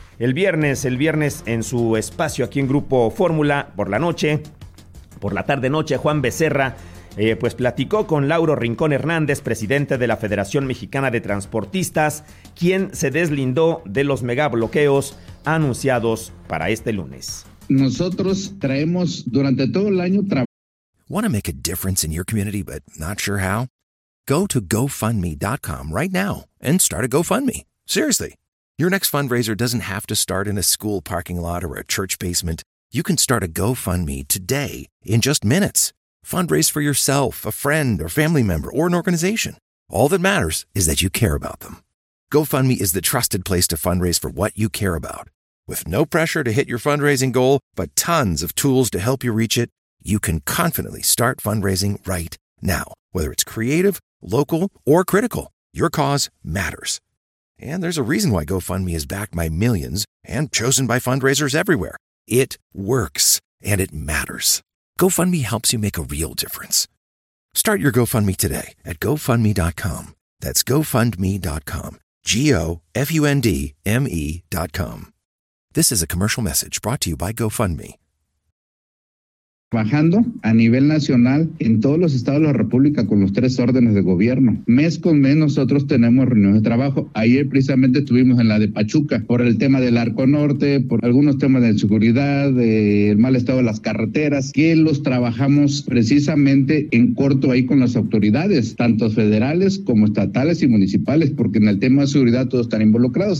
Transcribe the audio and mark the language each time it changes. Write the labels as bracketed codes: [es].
[es] El viernes en su espacio aquí en Grupo Fórmula, por la tarde-noche, Juan Becerra, pues platicó con Lauro Rincón Hernández, presidente de la Federación Mexicana de Transportistas, quien se deslindó de los megabloqueos anunciados para este lunes. Nosotros traemos durante todo el año [en] Want to make a difference in your community but not sure how? Go to GoFundMe.com right now and start a GoFundMe. Seriously, your next fundraiser doesn't have to start in a school parking lot or a church basement. You can start a GoFundMe today in just minutes. Fundraise for yourself, a friend, or family member, or an organization. All that matters is that you care about them. GoFundMe is the trusted place to fundraise for what you care about. With no pressure to hit your fundraising goal, but tons of tools to help you reach it, you can confidently start fundraising right now. Whether it's creative, local, or critical, your cause matters. And there's a reason why GoFundMe is backed by millions and chosen by fundraisers everywhere. It works, and it matters. GoFundMe helps you make a real difference. Start your GoFundMe today at GoFundMe.com. That's GoFundMe.com. GoFundMe.com. This is a commercial message brought to you by GoFundMe. [es] Trabajando a nivel nacional en todos los estados de la República con los tres órdenes de gobierno. Mes con mes nosotros tenemos reuniones de trabajo. Ayer precisamente estuvimos en la de Pachuca por el tema del Arco Norte, por algunos temas de seguridad, del mal estado de las carreteras, que los trabajamos precisamente en corto ahí con las autoridades, tanto federales como estatales y municipales, porque en el tema de seguridad todos están involucrados.